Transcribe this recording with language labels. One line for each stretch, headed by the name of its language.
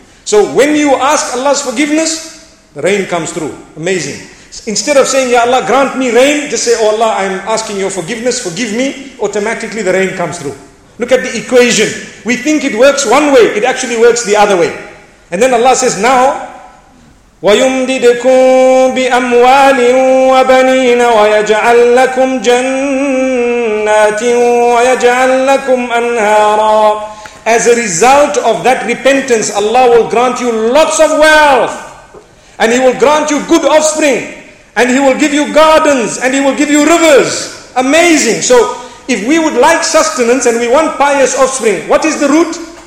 English: So when you ask Allah's forgiveness, the rain comes through. Amazing. Instead of saying, Ya Allah, grant me rain, just say, oh Allah, I'm asking your forgiveness, forgive me. Automatically the rain comes through. Look at the equation. We think it works one way, it actually works the other way. And then Allah says, now,
Arabic: وَيُمْدِدْكُمْ بِأَمْوَالٍ وَبَنِينَ وَيَجْعَلْ لَكُمْ جَنَّةً. جَنَّاتٍ وَيَجْعَلْ لَكُمْ أَنْهَارًا.
English: As a result of that repentance, Allah will grant you lots of wealth, and He will grant you good offspring, and He will give you gardens, and He will give you rivers. Amazing. So if we would like sustenance and we want pious offspring, what is the route?